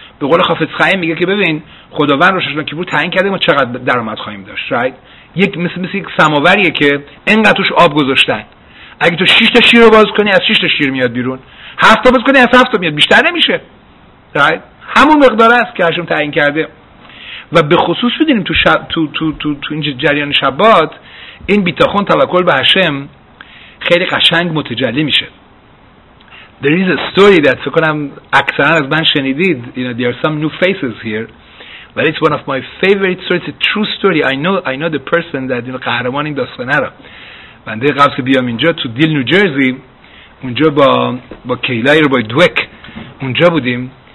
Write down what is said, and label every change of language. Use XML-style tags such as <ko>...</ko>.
<fa>به قول حافظ خیام میگه که ببین خداوند روشش که بود تعیین کرده ما چقدر درآمد خواهیم داشت، right؟ یک مثل یک سماوریه که انقدر توش آب گذاشتن، اگه تو 6 تا شیر رو باز کنی از 6 تا شیر میاد بیرون، 7 تا باز کنی از 7 تا میاد، بیشتر نمیشه، right؟ همون مقدار است که هاشم تعیین کرده. و به خصوص بدیم تو این جریان شبات، این بیتاخون توکل به هاشم خیلی قشنگ متجلی میشه.</fa> <en>There is a story that</en> <fa>فکر کنم اکثرا از من شنیدید،</fa> <en>you know there are some new faces here, but it's one of my favorite stories, it's a true story. I know the person that</en> <fa>این قهرمان این داستانه را. بنده قبل که بیام اینجا تو دیل نیوجرسی، اونجا با کیلای رو با دوک اونجا بودیم.</fa>